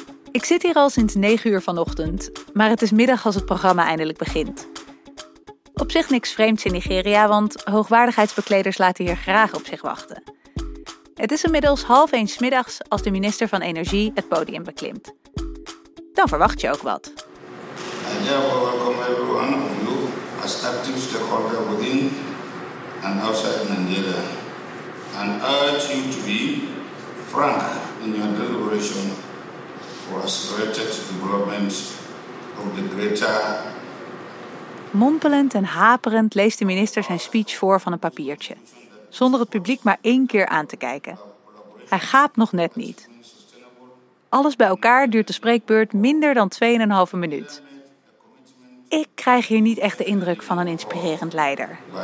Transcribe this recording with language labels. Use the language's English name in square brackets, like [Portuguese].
[Dutch] Ik zit hier al sinds 9 uur vanochtend, maar het is middag als het programma eindelijk begint. Op zich niks vreemds in Nigeria, want hoogwaardigheidsbekleders laten hier graag op zich wachten. Het is inmiddels 12:30 middags als de minister van Energie het podium beklimt. Dan verwacht je ook wat. [English] I therefore welcome everyone of you as active stakeholder within and outside Nigeria. And urge you to be frank in your deliberation for accelerated development of the greater. [Dutch] Mompelend en haperend leest de minister zijn speech voor van een papiertje, zonder het publiek maar één keer aan te kijken. Hij gaapt nog net niet. Alles bij elkaar duurt de spreekbeurt minder dan 2,5 minuut. Ik krijg hier niet echt de indruk van een inspirerend leider.